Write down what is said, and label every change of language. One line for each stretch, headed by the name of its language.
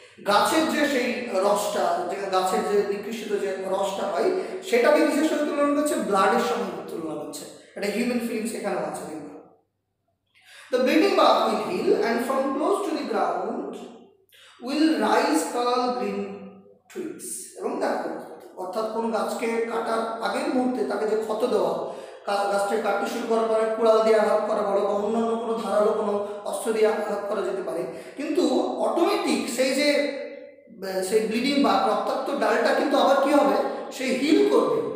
Bangla: গাছের যে সেই রসটা, যে গাছের যে নিকৃষ্ট যে রসটা হয় সেটাকে বিশেষ করে তুলনা করছে ব্লাডের সঙ্গে তুলনা করছে, একটা হিউম্যান ফিলিংস এখানে আছে।
English: The bleeding bark will heal and from close to the ground will rise curled green twigs.
Bangla: এবং দেখো অর্থাৎ কোন গাছকে কাটার আগের মুহূর্তে তাকে যে ক্ষত দেওয়া, গাছটাকে কাটতে শুরু করার পরে কুড়াল দিয়ে আঘাত করা বলো বা অন্যান্য কোনো ধারালো কোনো অস্ত্র দিয়ে আঘাত করা যেতে পারে, কিন্তু অটোমেটিক সেই যে সেই ব্লিডিং বা রক্তাক্ত ডালটা কিন্তু আবার কী হবে, সেই হিল করবে।